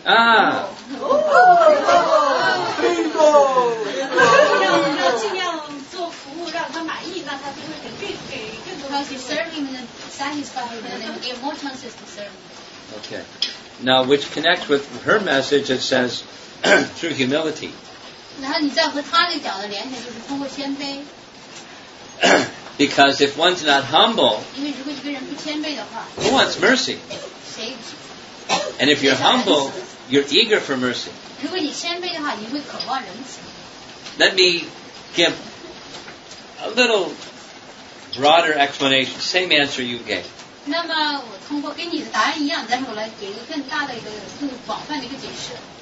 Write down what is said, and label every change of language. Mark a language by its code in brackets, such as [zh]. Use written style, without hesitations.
[en] Because he's serving and satisfied, and then we give more chances to serve. Okay. Now, which connects with her message, it says, through humility. [zh] 然后你再和他那讲的联系，就是通过谦卑。 [en] Because if one's not humble, [zh] 因为如果一个人不谦卑的话 [en] who wants mercy? [zh] 谁 [en] And if you're humble, you're eager for mercy. [zh] 如果你谦卑的话，你会渴望仁慈。 [en] Let me give a little broader explanation, same answer you gave. [zh] 那么我通过跟你的答案一样，但是我来给一个更大的一个更广泛的一个解释。